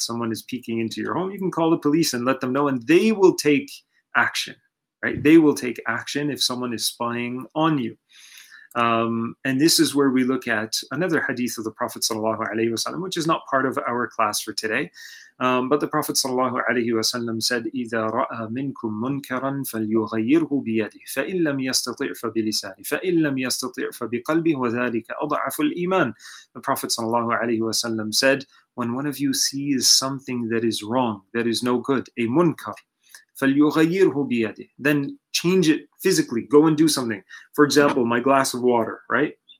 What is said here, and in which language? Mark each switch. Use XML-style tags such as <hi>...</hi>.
<en>Someone is peeking into your home. You can call the police and let them know, and they will take action, right? They will take action if someone is spying on you. And this is where we look at another hadith of the Prophet sallallahu alaihi wasallam, which is not part of our class for today. But the Prophet sallallahu alaihi wasallam said,</en> <ar>"إِذَا رَأَى مِنْكُمْ مُنْكَرًا فَلْيُغَيِّرْهُ بِيَدِهِ فَإِنْ لَمْ يَسْتَطِعْ فَبِلِسَانِهِ فَإِنْ لَمْ يَسْتَطِعْ فَبِقَلْبِهِ وَذَلِكَ أَضْعَفُ الْإِيمَانِ."</ar> <en>The Prophet sallallahu alaihi wasallam said, "When one of you sees something that is wrong, that is no good, a munkar,</en> <ar>فَلْيُغَيِّرْهُ بِيَدِهِ,</ar> <en>then change it physically. Go and do something. For example, my glass of water, right?</en>